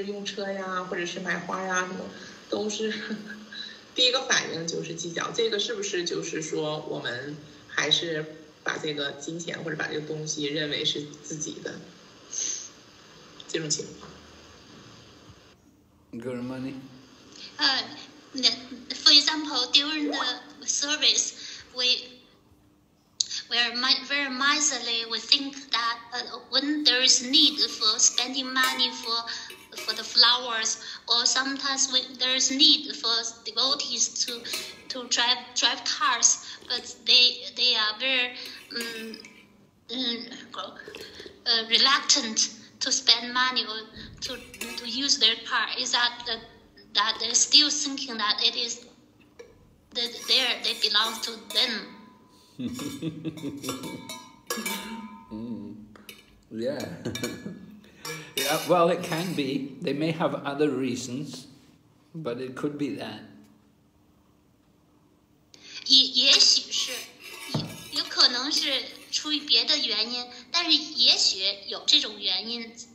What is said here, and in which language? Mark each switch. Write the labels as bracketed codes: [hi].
[zh] Good,那就是我想继续问一下，就是刚才热带不言的，就是这个问题。如果我们在做服务的时候，非常计较，就是一提到我们要花钱或者是要用一些东西来服务的时候，第一个反应就是非常计较，不论是用车呀，或者是买花呀，什么，都是。第一个反应就是计较，这个是不是就是说我们还是把这个金钱或者把这个东西认为是自己的这种情况？Good [en] money. For example, during the service, we are very miserly. We think that when there is need for spending money for the flowers, or sometimes when there is need for devotees to drive cars, but they are very reluctant to spend money or to use their car. Is that that they're still thinking that it is that they belong to them? Yeah. Yeah, well, it can be. They may have other reasons, but it could be that. [zh] 也许是有可能是出于别的原因，但是也许有这种原因。